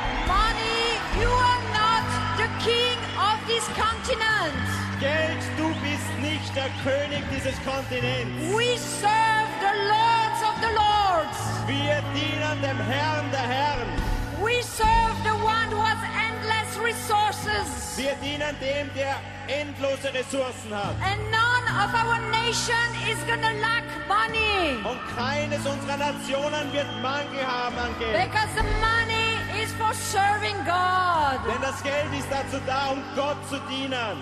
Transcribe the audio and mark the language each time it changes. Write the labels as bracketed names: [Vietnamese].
[English] Money, you are not the king of this continent. [German] Geld, du bist nicht der König dieses Kontinents. [English] We serve the lords of the lords. [German] Wir dienen dem Herrn der Herren. [English] We serve the one who has endless resources. [German] Wir dienen dem, der endlose Ressourcen hat. [English] And none of our nation is gonna lack money. [German] Und keines unserer Nationen wird Mangel haben an Geld. [English] Because the money is for serving God. [German] Denn das Geld ist dazu da, um Gott zu dienen.